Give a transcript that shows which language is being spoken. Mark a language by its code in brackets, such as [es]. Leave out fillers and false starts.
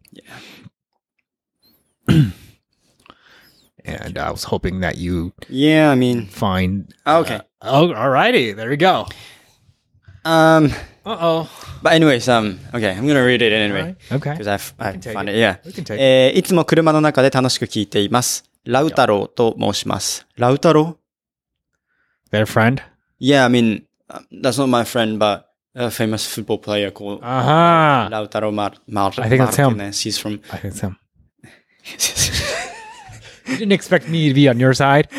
[en] Yeah. And I was hoping that you find okay. Alrighty, there we go. But anyways, okay, I'm gonna read it anyway. Okay. Because I found it. Yeah. We can take [ja] it. いつも車の中で楽しく聞いています。ラウタローと申します。ラウタロー? [en] Their friend? Yeah, I mean, that's not my friend, but a famous football player called Lautaro Martinez. I think that's him. He's from... I think it's him. You didn't expect me to be on your side?